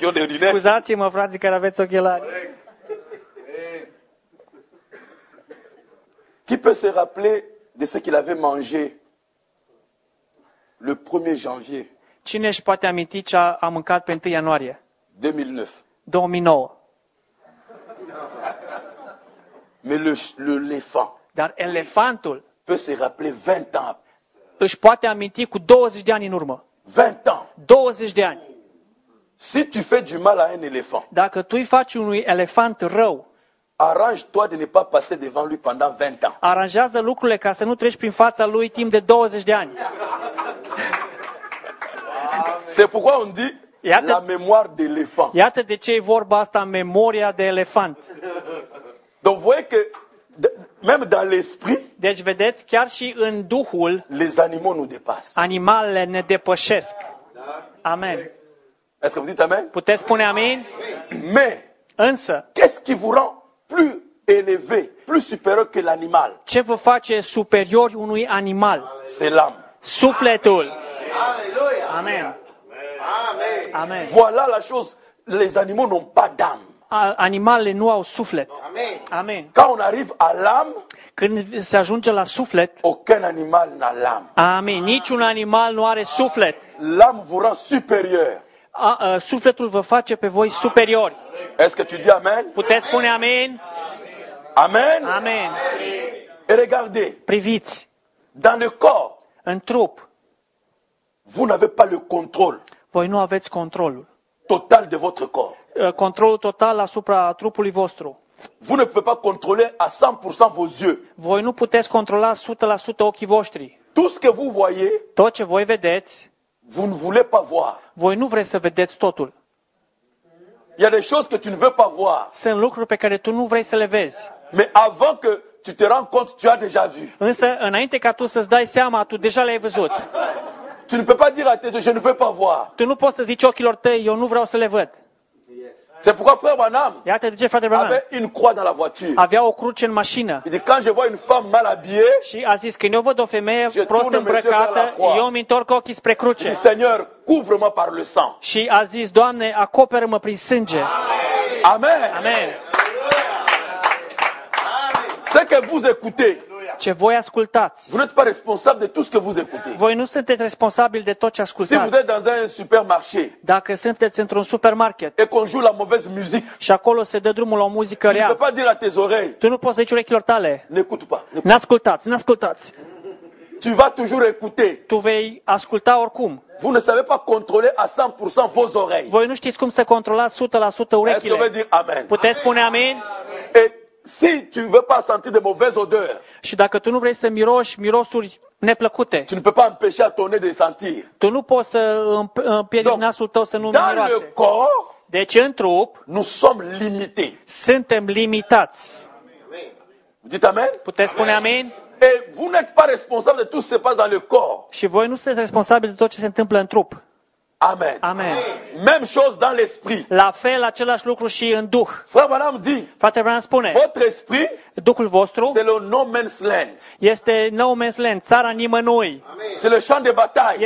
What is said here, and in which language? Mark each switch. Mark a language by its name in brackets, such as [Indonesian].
[Romanian] Scuzați-mă, frații, care aveți ochelari. [French] Qui peut se rappeler de ce qu'il avait mangé le 1er janvier? [Romanian] Cine își poate aminti ce a mâncat pe 1 ianuarie? 2009. [French] Mais l'éléphant. [Romanian] Dar elefantul [French] peut se rappeler 20 ans. [Romanian] Își poate aminti cu 20 de ani în urmă. [French] 20 ans. [Romanian] 20 de ani. [French] Si tu fais du mal à un éléphant. [Romanian] Dacă tu îi faci unui elefant rău. [French] Arrange-toi de ne pas passer devant lui pendant 20 ans. [Romanian] Aranjează lucrurile ca să nu treci prin fața lui timp de 20 de ani. [French] C'est pourquoi on dit la mémoire d'éléphant. [Romanian] Iată de ce e vorba asta, memoria de elefant. [French] Donc voyez que Même dans l'esprit, [Romanian] deci vedeți, chiar și în duhul, [French] les animaux nous dépassent. [Romanian] Animalele ne depășesc. Amen. [French] Est-ce que vous dites amen? [Romanian] Puteți spune amin? [French] Mais, [Romanian] însă, [French] qu'est-ce qui vous rend plus élevé, plus supérieur que l'animal? [Romanian] Ce vă face superior unui animal? [French] C'est l'âme. [Romanian] Sufletul. [French] Alléluia. [Romanian] Amen. Amen. [French] Voilà la chose, les animaux n'ont pas d'âme. [Romanian] Animalele nu au suflet. Amen. Amen. [French] Quand on arrive à l'âme, [Romanian] când se ajunge la suflet, [French] aucun animal n'a l'âme. [Romanian] Amen. Niciun animal nu are suflet. [French] L'âme vous rend supérieur. [Romanian] Sufletul vă face pe voi superiori. [French] Est-ce que tu dis amen? [Romanian] Puteți spune amen? Amen. Amen. [French] Et regardez. [Romanian] Priviți. [French] Dans le corps. [Romanian] În trup. [French] Vous n'avez pas le contrôle. [Romanian] Voi nu aveți controlul. [French] Total de votre corps. [Romanian] Controlul total asupra trupului vostru. [French] Vous ne pouvez pas contrôler à 100% vos yeux. [Romanian] Voi nu puteți controla 100% ochii voștri. [French] Tout ce que vous voyez. [Romanian] Tot ce voi vedeți. [French] Vous ne voulez pas voir. [Romanian] Voi nu vreți să vedeți totul. [French] Il y a des choses que tu ne veux pas voir. [Romanian] Sunt lucruri pe care tu nu vrei să le vezi. [French] Mais avant que tu te rends compte, tu as déjà vu. [Romanian] Însă înainte ca tu să-ți dai seama, tu deja l-ai văzut. [French] Tu ne peux pas dire à tes yeux, je ne veux pas voir. [Romanian] Tu nu poți să zici ochilor tăi, eu nu vreau să le văd. [French] C'est pourquoi frère Branham. [Romanian] Iată de ce frate Branham. Avea [French] une croix dans la voiture. [Romanian] Avea o cruce în mașină. Și când [French] je vois une femme mal habillée. [Romanian] Și a zis că eu văd o femeie prost îmbrăcată, eu mă întorc ochii spre cruce. Și [French] Seigneur, couvre-moi par le sang. [Romanian] Și a zis, Doamne, acoperă-mă prin sânge. Amen. Amen. [French] Ce que vous écoutez. [Romanian] Ce voi ascultați. [French] Vous n'êtes pas responsable de tout ce que vous écoutez. [Romanian] Voi nu sunteți responsabili de tot ce ascultați. [French] Si vous êtes dans un supermarché. [Romanian] Dacă sunteți într-un supermarket. [French] Et qu'on joue la mauvaise musique. [Romanian] Și acolo se dă drumul la muzică rea. [French] Tu ne peux pas dire à tes oreilles. [Romanian] Tu nu poți zice urechilor tale. [French] N'écoute pas. [Romanian] N'ascultați, n'ascultați. [French] Tu vas toujours écouter. [Romanian] Tu vei asculta oricum. [French] Vous ne savez pas contrôler à 100% vos oreilles. [Romanian] Voi nu știți cum să controlați 100% urechile. [French] Est-ce que vous pouvez dire amen? [Romanian] Puteți spune amen? [French] Si tu ne veux pas sentir de mauvaises odeurs. [Romanian] Și dacă tu nu vrei să miroși mirosuri neplăcute. [French] Tu ne peux pas empêcher ton nez de sentir. [Romanian] Tu nu poți să împiedici nasul tău să nu miroase. [French] Dans le corps. [Romanian] Deci în trup. [French] Nous sommes limités. [Romanian] Suntem limitați. [French] Amen. Dites amen. [Romanian] Puteți spune amen. [French] Et vous n'êtes pas responsable de tout ce qui se passe dans le corps. [Romanian] Și voi nu sunteți responsabili de tot ce se întâmplă în trup. Amen. Amen. [French] Même chose dans l'esprit. [Romanian] La fel, același lucru și în duh. [French] Frère Branham dit. [Romanian] Frate Branham spune. [French] Votre esprit. [Romanian] Duhul vostru. [French] C'est le no man's land. [Romanian] Este no man's land, țara nimănui. [French] Amen. C'est le champ de bataille.